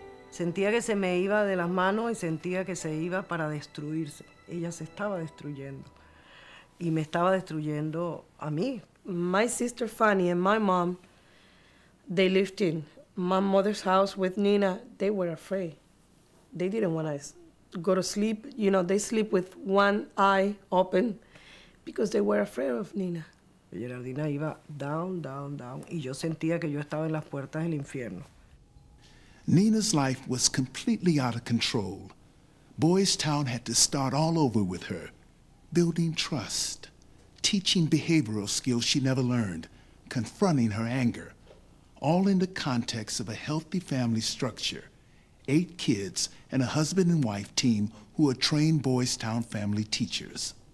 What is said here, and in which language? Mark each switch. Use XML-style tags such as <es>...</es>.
<es>Sentía que se me iba de las manos y sentía que se iba para destruirse. Ella se estaba destruyendo. Y me estaba destruyendo a mí.</es> <en>My sister Fanny and my mom, they lived in my mother's house with Nina. They were afraid. They didn't want to go to sleep. You know, they sleep with one eye open because they were afraid of Nina.</en> <es>Geraldina iba</es> <en>down, down, down,</en> <es>y yo sentía que yo estaba en las puertas del infierno.</es> <en>Nina's life was completely out of control. Boys Town had to start all over with her, building trust, teaching behavioral skills she never learned, confronting her anger, all in the context of a healthy family structure, 8 kids and a husband and wife team who are trained Boys Town family teachers.</en>